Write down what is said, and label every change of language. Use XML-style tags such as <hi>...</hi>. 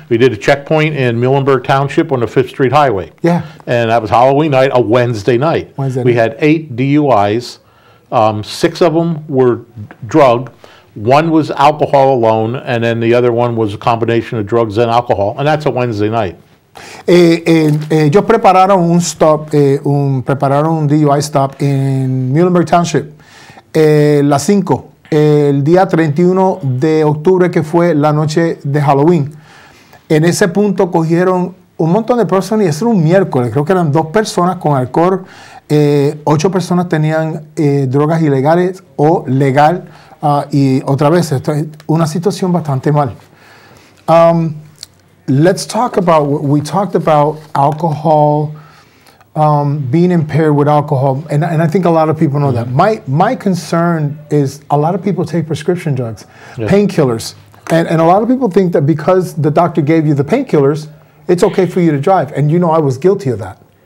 <en>We did a checkpoint in Muhlenberg Township on the 5th Street Highway. Yeah. And that was Halloween night, a Wednesday night. Wednesday we night. Had eight DUIs Six of them were drug, one was alcohol alone, and then the other one was a combination of drugs and alcohol, and that's a Wednesday night.</en> <es>Ellos prepararon un stop, prepararon un DUI stop en Muhlenberg Township, las 5, el día 31 de octubre, que fue la noche de Halloween. En ese punto cogieron un montón de personas, y eso era un miércoles, creo que eran dos personas con alcohol. 8 personas tenían drogas ilegales o legal, y otra vez, esto es una situación bastante mal.</es> <en>Let's talk about, we talked about alcohol, being impaired with alcohol, and I think a lot of people know that. My concern is a lot of people take prescription drugs, painkillers, and a lot of people think that because the doctor gave you the painkillers, it's okay for you to drive, and you know I was guilty of that.</en>